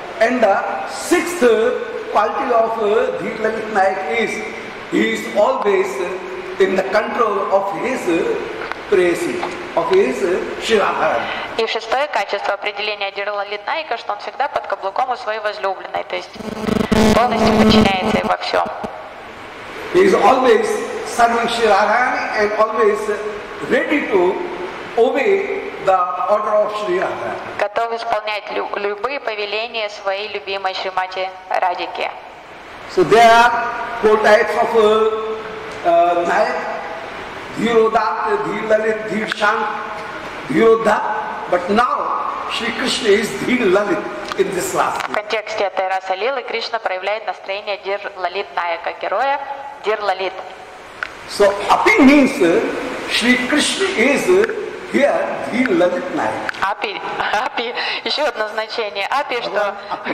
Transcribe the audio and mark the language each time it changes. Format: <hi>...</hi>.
<en>And the sixth quality of Dhir-Lalitnayak is, he is always in the control of his Presi, of his Shiradhara.</en> <ru>И шестое качество определения Дхир-Лалитнайка, что он всегда под каблуком у своей возлюбленной, то есть полностью подчиняется ей во всем.</ru> <en>He is always serving Shiradhara and always ready to obey the order of Shri Radha.</en> <ru>Готов исполнять любые повеления своей любимой Шримати Радике.</ru> <en>So there are four types of Nayak. Dhirodhat, Dhir-Lalit, Dhir-Shank, Dhirodhat. But now Shri Krishna is Dhir-Lalit in this last year.</en> <ru>В контексте этой расы Лилы Кришна проявляет настроение Дхир-Лалит Найка, героя Дхир-Лалит.</ru> <en>So Api means Shri Krishna is Here,</en> <ru>Api, еще одно значение. Api, что Api.</ru>